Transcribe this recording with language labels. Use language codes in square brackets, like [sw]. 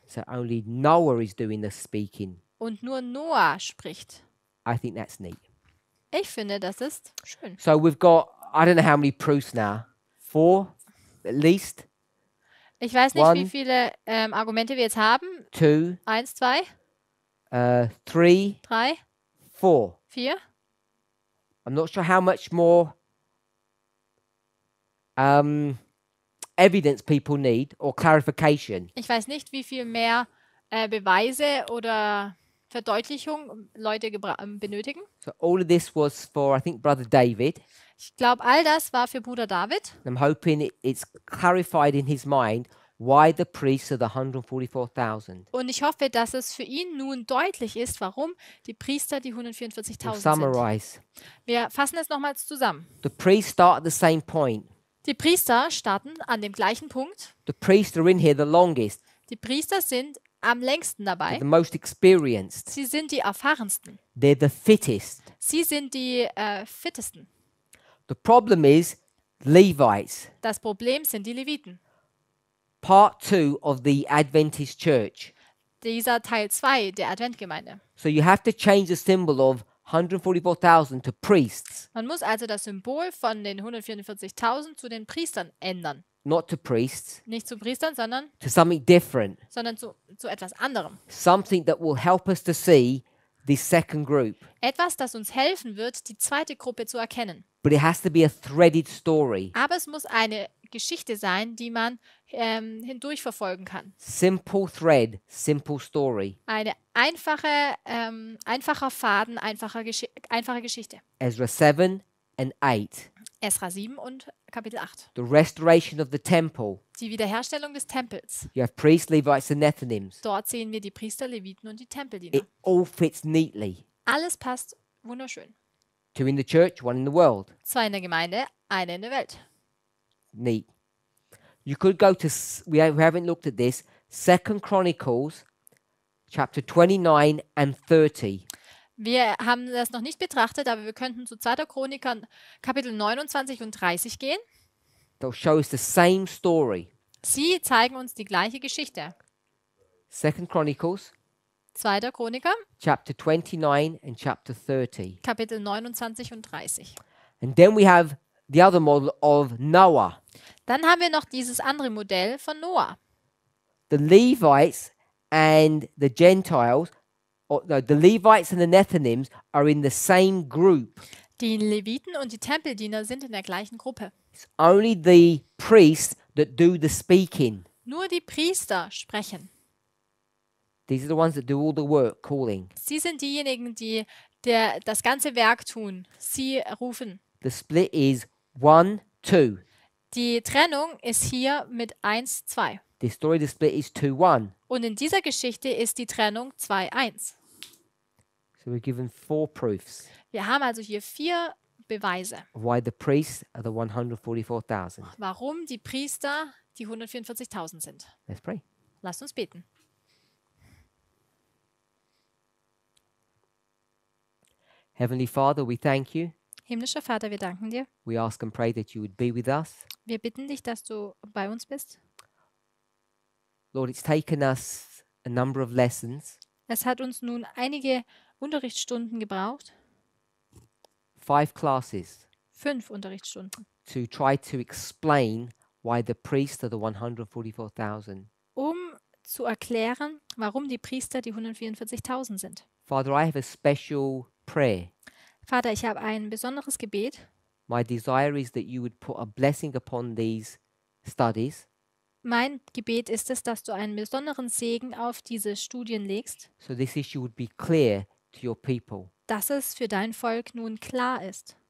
[en] So only Noah is doing the speaking. [de] Und nur Noah spricht. [en] I think that's neat. [de] Ich finde, das ist schön. [en] So we've got, I don't know how many proofs now. 4, at least. [de] Ich weiß nicht, wie viele Argumente wir jetzt haben. [en] 2. 1, 2. 3. 3. 4. 4. I'm not sure how much more evidence people need or clarification. [de] Ich weiß nicht, wie viel mehr Beweise oder Verdeutlichung Leute benötigen. [en] So all of this was for, I think, Brother David. [de] Ich glaube, all das war für Bruder David. [en] I'm hoping it's clarified in his mind why the priests are the 144,000. [de] Und ich hoffe, dass es für ihn nun deutlich ist, warum die Priester die 144,000 sind. [en] Summarize. [de] Wir fassen es nochmals zusammen. [en] The priests start at the same point. [de] Die Priester starten an dem gleichen Punkt. [en] The priests are in here the longest. [de] Die Priester sind am längsten dabei. [en] The most experienced. [de] Sie sind die erfahrensten. [en] They're the fittest. [de] Sie sind die fittesten. [en] The problem is Levites. [de] Das Problem sind die Leviten. [en] Part 2 of the Adventist Church. [de] Dieser Teil 2 der Adventgemeinde. [en] So you have to change the symbol of 144,000 to priests. [de] Man muss also das Symbol von den 144,000 zu den Priestern ändern. [en] Not to priests. [de] Nicht zu Priestern, sondern [en] to something different. [de] Sondern zu etwas anderem. [en] Something that will help us to see the second group. [de] Etwas, das uns helfen wird, die zweite Gruppe zu erkennen. [en] But it has to be a threaded story. [de] Aber es muss eine Geschichte sein, die man hindurch verfolgen kann. [en] Simple thread, simple story. [de] Eine einfache, einfacher Faden, einfache Geschichte. [en] Ezra 7 and 8. [de] Ezra 7 und Kapitel 8. [en] The restoration of the temple. [de] Die Wiederherstellung des Tempels. [en] You have priests, Levites and Nethinims. [de] Dort sehen wir die Priester, Leviten und die Tempeldiener. [en] It all fits neatly. [de] Alles passt wunderschön. [en] Two in the church, one in the world. [de] Zwei in der Gemeinde, eine in der Welt. [en] Neat. You could go to, we haven't looked at this, 2 Chronicles, chapter 29 and 30. [de] Wir haben das noch nicht betrachtet, aber wir könnten zu 2. Chroniker, Kapitel 29 und 30 gehen. [en] They'll show us the same story. [de] Sie zeigen uns die gleiche Geschichte. [en] 2 Chronicles, [de] 2. Chroniker, [en] chapter 29 and chapter 30. [de] Kapitel 29 und 30. [en] And then we have the other model of Noah. [de] Dann haben wir noch dieses andere Modell von Noah. [en] The Levites and the Gentiles, or no, the Levites and the Nethinims are in the same group. [de] Die Leviten und die Tempeldiener sind in der gleichen Gruppe. [en] It's only the priests that do the speaking. [de] Nur die Priester sprechen. [en] These are the ones that do all the work, calling. [de] Sie sind diejenigen, die der, das ganze Werk tun. Sie rufen. [en] The split is 1-2. [de] Die Trennung ist hier mit 1-2. [en] The story of the split is 2-1. [de] Und in dieser Geschichte ist die Trennung 2-1. [en] So we're given four proofs. [de] Wir haben also hier vier Beweise. [en] Why the priests are the 144,000. [de] Warum die Priester die 144,000 sind. [en] Let's pray. [de] Lasst uns beten. [en] Heavenly Father, we thank you. [de] Himmlischer Vater, wir danken dir. [en] We ask and pray that you would be with us. [de] Wir bitten dich, dass du bei uns bist. [en] Lord, it's taken us a number of lessons. [de] Es hat uns nun einige Unterrichtsstunden gebraucht. [en] 5 classes. [de] 5 Unterrichtsstunden. [en] To try to explain why the priests are the 144,000. [de] Um zu erklären, warum die Priester die 144,000 sind. [en] Father, I have a special prayer. [de] Vater, ich habe ein besonderes Gebet. [en] My desire is that you would put a blessing upon these studies. [de] Mein Gebet ist es, dass du einen besonderen Segen auf diese Studien legst. [en] So this issue would be clear to your people. [de] Dass es für dein Volk nun klar ist.